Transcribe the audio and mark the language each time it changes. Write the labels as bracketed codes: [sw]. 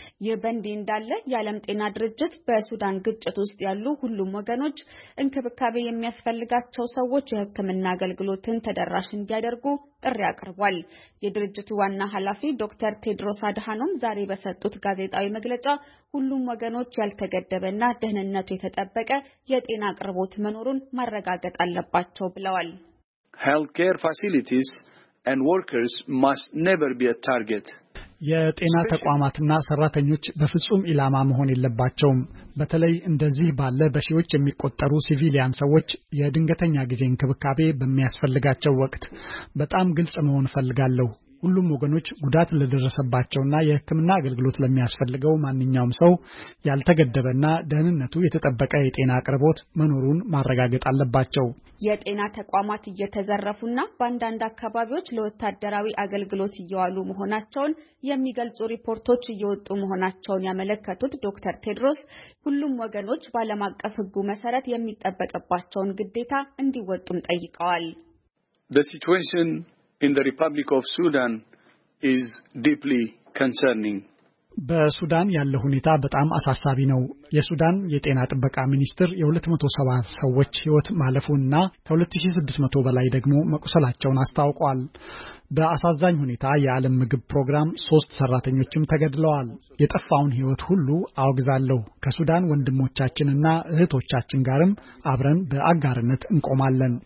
[am] ይህ በእንዲህ እንዳለ የዓለም ጤና ድርጅት በሱዳን ግጭት ውስጥ ያሉ ሁሉም ወገኖች እንክብካቤ የሚያስፈልጋቸው ሰዎች የህክምና አገልግሎትን ተደራሽ እንዲያደርጉ ጥሪ አቅርቧል። የድርጅቱ ዋና ኃላፊ ዶክተር ቴድሮስ አድሃኖም ዛሬ በሰጡት ጋዜጣዊ መግለጫ ሁሉም ወገኖች ያልተገደበና ደህንነቱ የተጠበቀ የጤና አቅርቦት መኖሩን ማረጋገጥ አለባቸው ብለዋል። [en] Healthcare facilities and workers must never be a target. [am] የጤና ተቋማትና ሰራተኞች በፍጹም ኢላማ መሆን የለባቸውም። በተለይ እንደዚህ ባለ በሺዎች የሚቆጠሩ ሲቪሊያን ሰዎች የድንገተኛ ጊዜ እንክብካቤ በሚያስፈልጋቸው ወቅት በጣም ግልጽ መሆን ፈልጋለሁ። ሁሉም ወገኖች ጉዳት ለደረሰባቸውና የህክምና አገልግሎት ለሚያስፈልገው ማንኛውም ሰው ያልተገደበና ደህንነቱ የተጠበቀ የጤና አቅርቦት መኖሩን ማረጋገጥ አለባቸው። የጤና ተቋማት እየተዘረፉና በአንዳንድ አካባቢዎች ለወታደራዊ አገልግሎት እየዋሉ መሆናቸውን የሚገልጹ ሪፖርቶች እየወጡ መሆናቸውን ያመለከቱት ዶክተር ቴድሮስ ሁሉም ወገኖች በዓለም አቀፍ ህጉ መሰረት የሚጠበቀባቸውን ግዴታ እንዲወጡም ጠይቀዋል። [en] The situation in the Republic of Sudan is deeply concerning. [am] በሱዳን ያለው ሁኔታ በጣም አሳሳቢ ነው። የሱዳን የጤና ጥበቃ ሚኒስትር የ207 ሰዎች ህይወት ማለፉና ከ2600 በላይ ደግሞ መቁሰላቸውን አስታውቋል። በአሳዛኝ ሁኔታ የዓለም ምግብ ፕሮግራም 3 ሰራተኞችም ተገድለዋል። የጠፋውን ህይወት ሁሉ አውግዛለሁ። ከሱዳን ወንድሞቻችንና እህቶቻችን ጋርም አብረን በአጋርነት እንቆማለን።